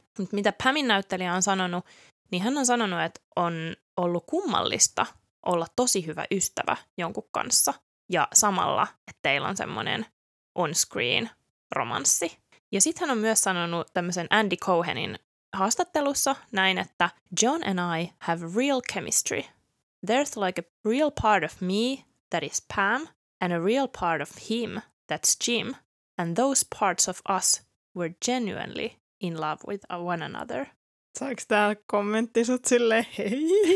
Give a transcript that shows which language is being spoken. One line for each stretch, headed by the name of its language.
Finnish: Mutta mitä Pamin näyttelijä on sanonut, niin hän on sanonut, että on ollut kummallista olla tosi hyvä ystävä jonkun kanssa ja samalla, että teillä on semmoinen on-screen romanssi. Ja sitten hän on myös sanonut tämmöisen Andy Cohenin haastattelussa näin, että
English: John and I have real chemistry. There's like a real part of me that is Pam and a real part of him that's Jim. And those parts of us were genuinely in love with one another.
Finnish: Saiks tää kommentti sut silleen hei?